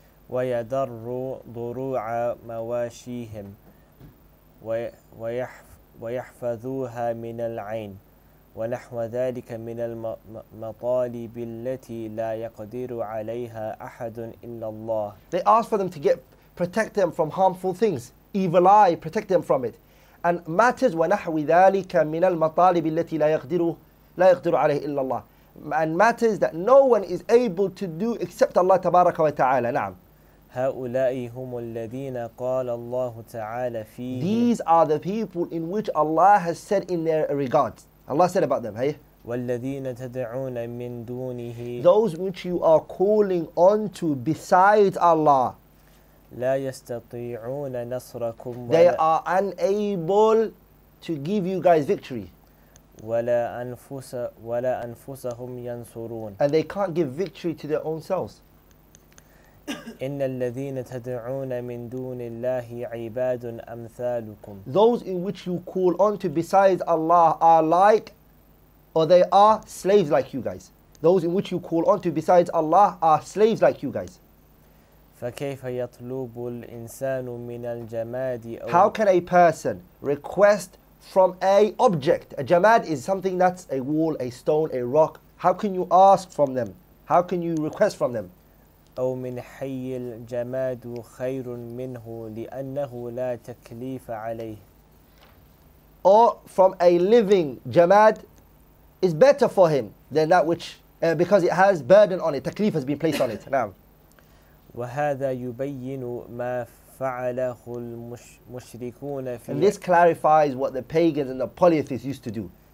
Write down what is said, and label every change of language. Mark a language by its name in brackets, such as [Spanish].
[Arabic] وَيَدَرُّ ضُرُوعَ مَوَاشِيهِمْ وَيَحْفَذُوهَا مِنَ الْعَيْنِ وَنَحْوَ ذَلِكَ مِنَ الْمَطَالِبِ الَّتِي لَا يَقْدِرُ عَلَيْهَا أَحَدٌ إِلَّا اللَّهِ. [English] They ask for them to protect them from harmful things, evil eye, protect them from it. And matters, [Arabic] وَنَحْوِ ذَلِكَ مِنَ الْمَطَالِبِ الَّتِي لَا يَقْدِرُ عَلَيْهِ إِلَّا اللَّهِ. [English] And matters that no one is able to do except Allah Tabaraka wa Ta'ala. [Arabic] نعم. هؤلاء هم الذين قال الله تعالى فيه. [English] These are the people in which Allah has said in their regards. Allah said about them, hey. [Arabic] والذين تدعون من دونه. [English] Those which you are calling on to besides Allah. [Arabic] لا يستطيعون نصركم. [English] They are unable to give you guys victory. [Arabic] ولا أنفسهم ينصرون. [English] And they can't give victory to their own selves. [Arabic] إن الذين تدعون من دون الله عباد أمثالكم. [English] Those in which you call on to besides Allah are like, or they are slaves like you guys. Those in which you call on to besides Allah are slaves like you guys. [Arabic] فكيف يطلب الإنسان من الجماد أو [English] How can a person request from a object? A jamad is something that's a wall, a stone, a rock. How can you ask from them? How can you request from them? [Arabic] أو من حي الجماد خير منه لأنه لا تكليف عليه. [English] Or from a living jamad is better for him than that which because it has burden on it. Takleef has been placed on it. Now. [Arabic] وهذا يبين ما فعله المشركون في [English] And this clarifies what the pagans and the polytheists used to do.